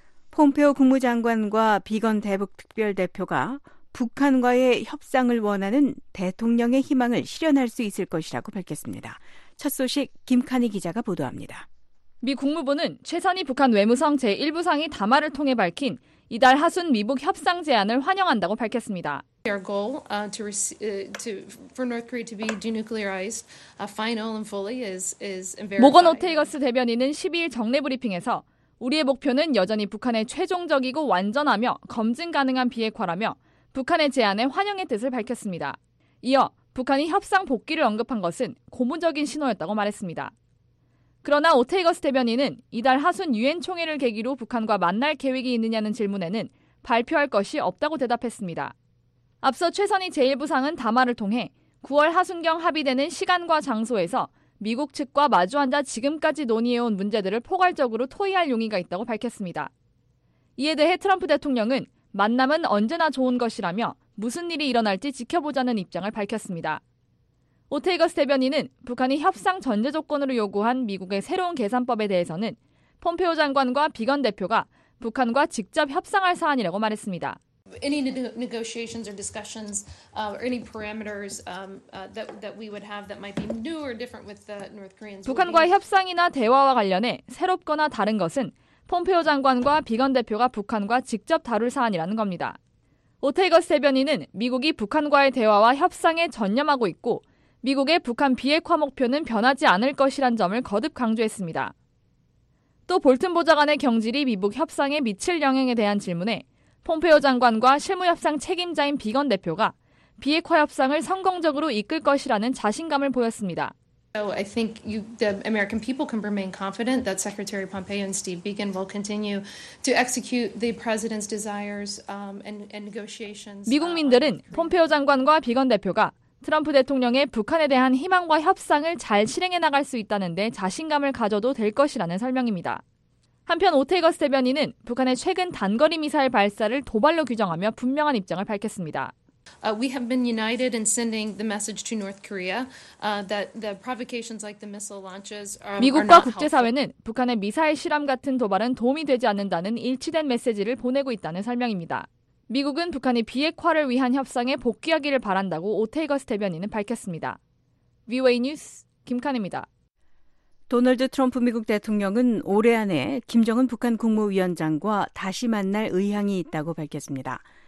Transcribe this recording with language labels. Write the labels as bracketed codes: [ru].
[ko] 폼페오 국무장관과 비건 대북특별대표가 북한과의 협상을 원하는 대통령의 희망을 실현할 수 있을 것이라고 밝혔습니다. 첫 소식 김카니 기자가 보도합니다. 미 국무부는 최선희 북한 외무성 제1부상이 담화를 통해 밝힌 이달 하순 미북 협상 제안을 환영한다고 밝혔습니다. [en] Our goal for North Korea to be denuclearized final and fully is very [ko] 모건 오테이거스 대변인은 12일 정례 브리핑에서 우리의 목표는 여전히 북한의 최종적이고 완전하며 검증 가능한 비핵화라며 북한의 제안에 환영의 뜻을 밝혔습니다. 이어 북한이 협상 복귀를 언급한 것은 고무적인 신호였다고 말했습니다. 그러나 오테이거스 대변인은 이달 하순 유엔 총회를 계기로 북한과 만날 계획이 있느냐는 질문에는 발표할 것이 없다고 대답했습니다. 앞서 최선희 제1부상은 담화를 통해 9월 하순경 합의되는 시간과 장소에서 미국 측과 마주앉아 지금까지 논의해온 문제들을 포괄적으로 토의할 용의가 있다고 밝혔습니다. 이에 대해 트럼프 대통령은 만남은 언제나 좋은 것이라며 무슨 일이 일어날지 지켜보자는 입장을 밝혔습니다. 오테이거스 대변인은 북한이 협상 전제 조건으로 요구한 미국의 새로운 계산법에 대해서는 폼페오 장관과 비건 대표가 북한과 직접 협상할 사안이라고 말했습니다. [en] Any negotiations or discussions or any parameters that we would have that might be new or different with the North Koreans. [ko] 북한과의 협상이나 대화와 관련해 새롭거나 다른 것은 폼페오 장관과 비건 대표가 북한과 직접 다룰 사안이라는 겁니다. 오테이거스 대변인은 미국이 북한과의 대화와 협상에 전념하고 있고 미국의 북한 비핵화 목표는 변하지 않을 것이란 점을 거듭 강조했습니다. 또 볼튼 보좌관의 경질이 미북 협상에 미칠 영향에 대한 질문에 폼페오 장관과 실무협상 책임자인 비건 대표가 비핵화 협상을 성공적으로 이끌 것이라는 자신감을 보였습니다. [en] I think the American people can remain confident that Secretary Pompeo and Steve Biegun will continue to execute the president's desires and negotiations. [ko] 미국민들은 폼페오 장관과 비건 대표가 트럼프 대통령의 북한에 대한 희망과 협상을 잘 실행해 나갈 수 있다는 데 자신감을 가져도 될 것이라는 설명입니다. 한편 오테이거스 대변인은 북한의 최근 단거리 미사일 발사를 도발로 규정하며 분명한 입장을 밝혔습니다. [en] We have been united in sending the message to North Korea that the provocations like the missile launches are not helpful. [ko] 미국과 국제사회는 북한의 미사일 실험 같은 도발은 도움이 되지 않는다는 일치된 메시지를 보내고 있다는 설명입니다. 미국은 북한이 비핵화를 위한 협상에 복귀하기를 바란다고 오테이거스 대변인은 밝혔습니다. VOA 뉴스 김칸입니다. 도널드 트럼프 미국 대통령은 올해 안에 김정은 북한 국무위원장과 다시 만날 의향이 있다고 밝혔습니다.